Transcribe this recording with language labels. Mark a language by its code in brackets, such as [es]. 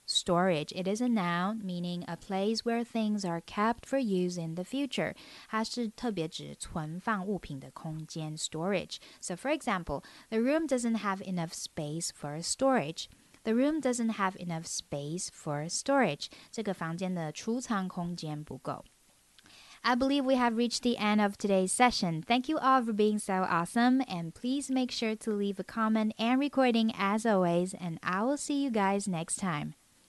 [en] Storage, it is a noun meaning a place where things are kept for use in the future. [zh] 它是特别指存放物品的空间 storage. [en] So for example, the room doesn't have enough space for storage. The room doesn't have enough space for storage. [zh] 这个房间的储藏空间不够。 [en] I believe we have reached the end of today's session. Thank you all for being so awesome. And please make sure to leave a comment and recording as always. And I will see you guys next time.